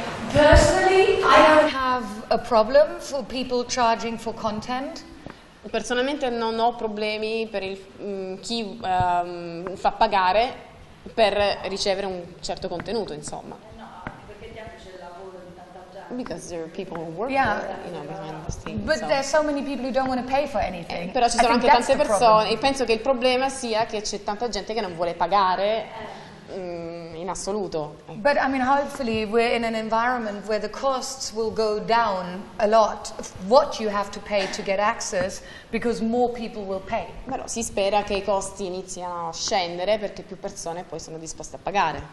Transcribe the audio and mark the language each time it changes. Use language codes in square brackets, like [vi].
[en] Personally, I don't have a problem for people charging for content. [it] Personalmente non ho problemi per chi fa pagare per ricevere un certo contenuto, insomma. [en] Because there are people who work behind this thing. But there are so many people who don't want to pay for anything. [it] Però ci sono anche tante persone, e penso che il problema sia che c'è tanta gente che non vuole pagare in assoluto. [en] But I mean, hopefully we're in an environment where the costs will go down a lot, what you have to pay to get access, because more people will pay. [it] Però si spera che i costi iniziano a scendere perché più persone poi sono disposte a pagare.